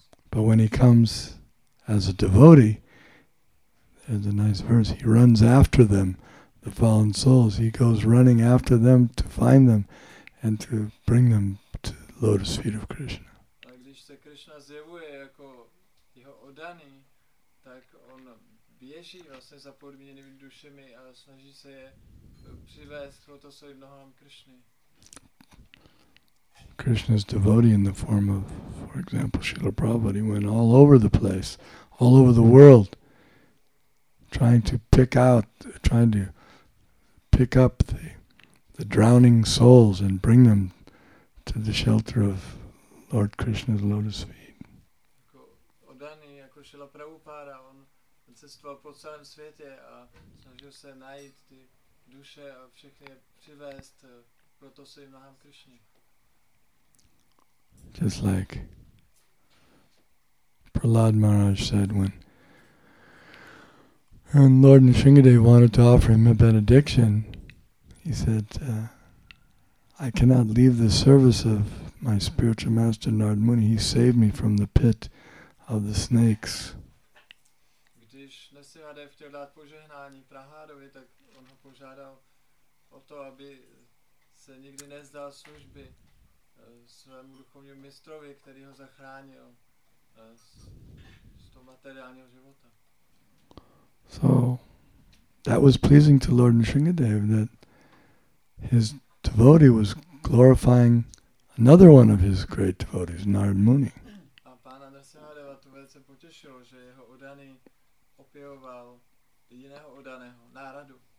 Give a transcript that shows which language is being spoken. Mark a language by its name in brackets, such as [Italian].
[English] But when he comes as a devotee, There's a nice verse. He runs after them, the fallen souls. He goes running after them to find them and to bring them to the lotus feet of Krishna. [Czech] A když se Krishna zjevuje jako jeho oddaný, tak on běží vlastně za podmíněnými dušemi a snaží se je přivést k lotosovým nohám Krishny. [English] Krishna's devotee in the form of, for example, Srila Prabhupada, he went all over the place, all over the world, trying to pick up the drowning souls and bring them to the shelter of Lord Krishna's lotus feet. [Czech] Odaný jako Srila Prabhupada, on cestoval po celém světě a snažil se najít ty duše a všechny je přivést k lotosovým nohám Krishny. [English] Just like Prahlad Maharaj said when Lord Nrsimhadeva wanted to offer him a benediction, he said, I cannot leave the service of my spiritual master Narad Muni. He saved me from the pit of the snakes. [Czech] Když Nrsimhadeva chtěl dát požehnání Prahladovi, tak on ho požádal o to, aby se nikdy nezdal služby svému duchovnímu mistrovi, který ho zachránil z toho materiálního života. [English] So that was pleasing to Lord Nrsimhadeva, that his devotee was glorifying another one of his great devotees, Narad Muni. [Czech] A pána Nrsimhadeva to velice potěšilo, že jeho oddaný opěvoval jiného oddaného, Náradu.